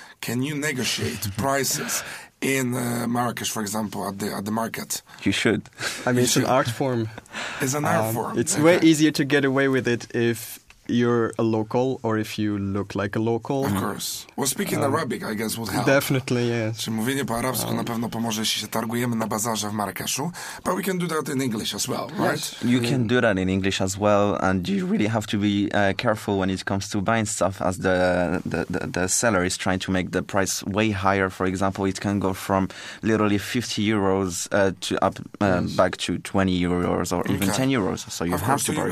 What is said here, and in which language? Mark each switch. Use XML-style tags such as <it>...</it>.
<en>Can you negotiate prices in Marrakesh, for example, at the market? You should. I mean, you it's an art form. It's an art form. It's way easier to get away with it if you're a local or if you look like a local. Of course. Well, speaking Arabic, I guess, would help. Definitely, yes.</en> <pl>Czy mówienie po arabsku na pewno pomoże, jeśli się targujemy na bazarze w Marrakeszu.</pl> <en>But we can do that in English as well, right? Yes. You can do that in English as well, and you really have to be careful when it comes to buying stuff, as the seller is trying to make the price way higher. For example, it can go from literally 50 euros to up back to 20 euros or even 10 euros. So you have to bargain.</en>